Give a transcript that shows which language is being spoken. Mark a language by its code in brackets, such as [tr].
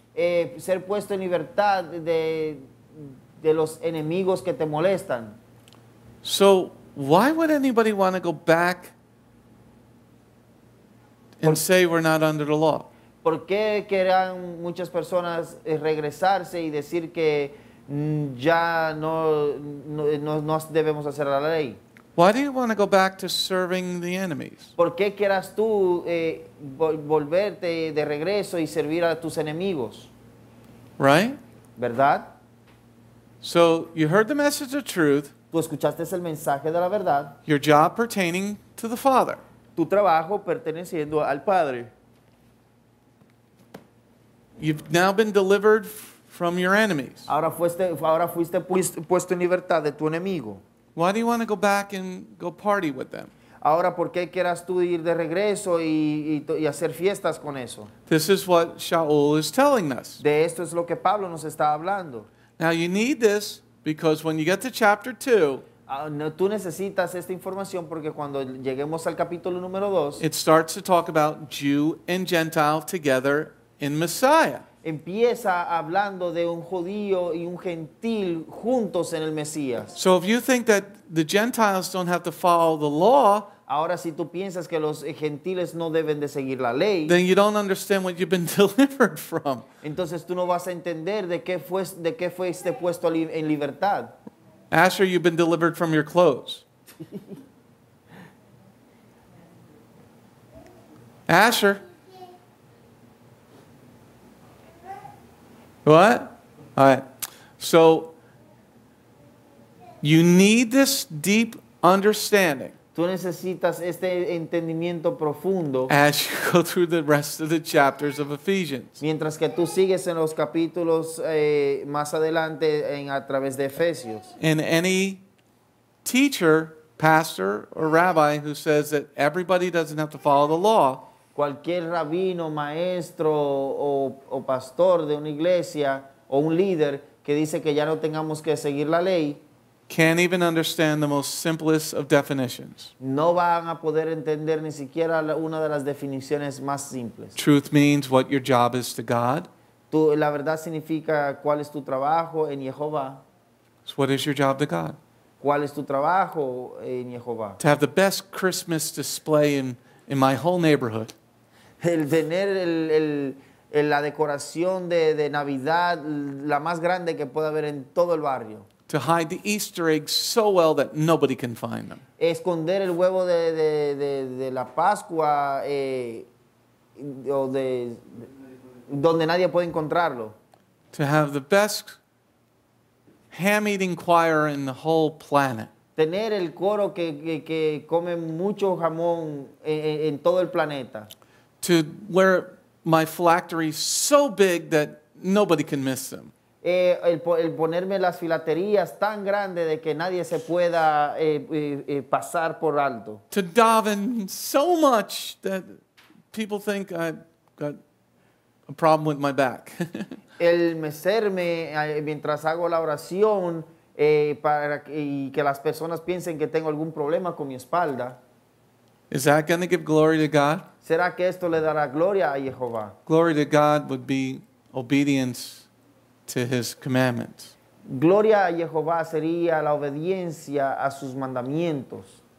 [es] Ser puesto en libertad de los enemigos que te molestan. [en] So, why would anybody want to go back and say we're not under the law? [es] ¿Por qué querrán muchas personas regresarse y decir que ya no debemos hacer la ley? [en] Why do you want to go back to serving the enemies? [es] ¿Por qué quieras tú volverte de regreso y servir a tus enemigos? [en] Right? [es] ¿Verdad? [en] So you heard the message of truth. [es] Tú escuchaste el mensaje de la verdad. [en] Your job pertaining to the Father. [es] Tu trabajo perteneciendo al Padre. [en] You've now been delivered from your enemies. [es] Ahora fuiste puesto en libertad de tu enemigo. [en] Why do you want to go back and go party with them? [es] Ahora, ¿por qué quieras tú ir de regreso y hacer fiestas con eso? [en] This is what Sha'ul is telling us. [es] De esto es lo que Pablo nos está hablando. [en] Now you need this because when you get to chapter 2, [es] no, tú necesitas esta información porque cuando lleguemos al capítulo número 2, [en] it starts to talk about Jew and Gentile together in Messiah. [es] Empieza hablando de un judío y un gentil juntos en el Mesías. [en] So if you think that the Gentiles don't have to follow the law, [es] ahora si tú piensas que los gentiles no deben de seguir la ley, [en] then you don't understand what you've been delivered from. [es] Entonces tú no vas a entender de qué fuiste puesto en libertad. [en] Asher, you've been delivered from your clothes. Asher. What? All right. So, you need this deep understanding. [es] Tú necesitas este entendimiento profundo. [en] As you go through the rest of the chapters of Ephesians. [es] Mientras que tú sigues en los capítulos más adelante en a través de Efesios. [en] And any teacher, pastor, or rabbi who says that everybody doesn't have to follow the law. [es] Cualquier rabino, maestro o pastor de una iglesia o un líder que dice que ya no tengamos que seguir la ley. [en] Can't even understand the most simplest of definitions. [es] No van a poder entender ni siquiera una de las definiciones más simples. [en] Truth means what your job is to God. [es] Tú, la verdad significa cuál es tu trabajo en Yehovah. [en] So what is your job to God? [es] ¿Cuál es tu trabajo en Yehovah? [en] To have the best Christmas display in my whole neighborhood. [es] El tener la decoración de Navidad la más grande que pueda haber en todo el barrio. [en] To hide the Easter eggs so well that nobody can find them. [es] Esconder el huevo de la Pascua o de donde nadie puede encontrarlo. [en] To have the best ham-eating choir in the whole planet. [es] Tener el coro que come mucho jamón en todo el planeta. [en] To wear my phylacteries so big that nobody can miss them. [es] El ponerme las filaterías tan grande de que nadie se pueda pasar por alto. [en] To daven so much that people think I've got a problem with my back. [es] El mecerme mientras hago la oración y que las personas piensen que tengo algún problema con mi espalda. [en] Is that going to give glory to God? [es] ¿Será que esto le dará gloria a Jehová? [en] Glory to God would be obedience to his commandments. [es] Gloria a Jehová sería la obediencia a sus mandamientos.